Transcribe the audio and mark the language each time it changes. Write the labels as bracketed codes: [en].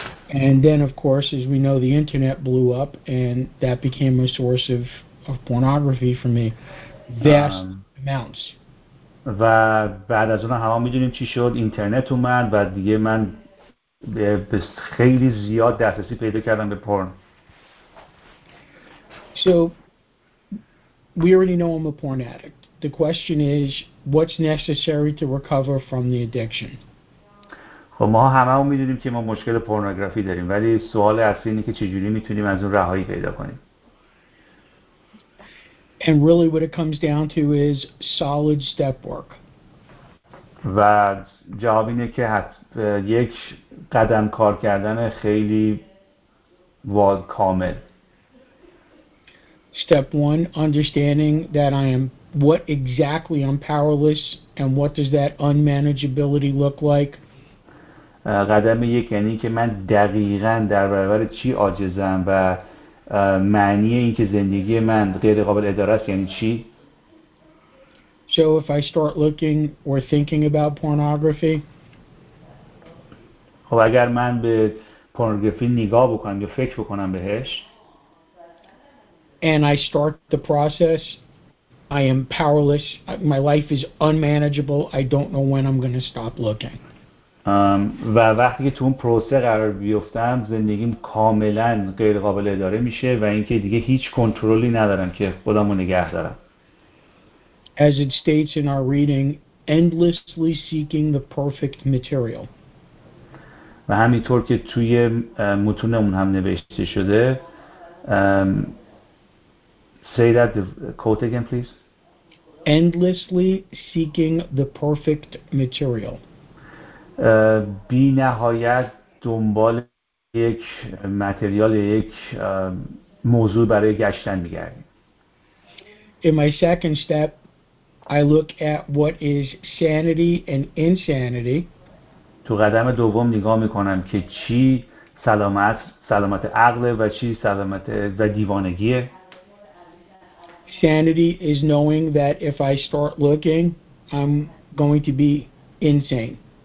[en] And then of course as we know the internet blew up and that became a source of pornography for me, vast amounts. [fa] و بعد از اون هم می‌دونیم چی شد، اینترنت اومد و دیگه من به خیلی زیاد دسترسی پیدا کردم به پورن. [en] So we already know I'm a porn addict. The question is, what's necessary to recover from the addiction? [fa] خب ما همه هم می‌دونیم که ما مشکل پورنوگرافی داریم، ولی سوال اصلی اینه که چجوری می‌تونیم از اون رهایی پیدا کنیم. [en] And really what it comes down to is solid step work. [fa] و جواب اینه که یک قدم کار کردن خیلی واضح کامل. [en] Step one, understanding that I am what exactly I'm powerless and what does that unmanageability look like. [fa] قدم یک یعنی که من دقیقاً در برابر چی عاجزم و معنی این که زندگی من غیر قابل اداره است یعنی چی؟ [en] So if I start looking or thinking about pornography. [fa] خب اگر من به پورنوگرافی نگاه بکنم یا فکر بکنم بهش. [en] And I start the process, I am powerless, my life is unmanageable, I don't know when I'm going to stop looking. [fa] و وقتی که تو اون پروسه قرار بیفتم زندگیم کاملا غیر قابل اداره میشه و اینکه دیگه هیچ کنترلی ندارم که خودم رو نگه دارم. [en] As it states in our reading, endlessly seeking the perfect material. [fa] و همینطور که توی متونمون هم نوشته شده [en] say that the quote again please. endlessly seeking the perfect material. [fa] بی نهایت دنبال یک متریال یک موضوع برای گشتن می‌گردم. [en] In my second step, I look at what is sanity and insanity. [fa] تو قدم دوم نگاه می‌کنم که چی سلامت عقل و چی سلامت و دیوانگیه. [en] Sanity is knowing that if I start looking, I'm going to be insane.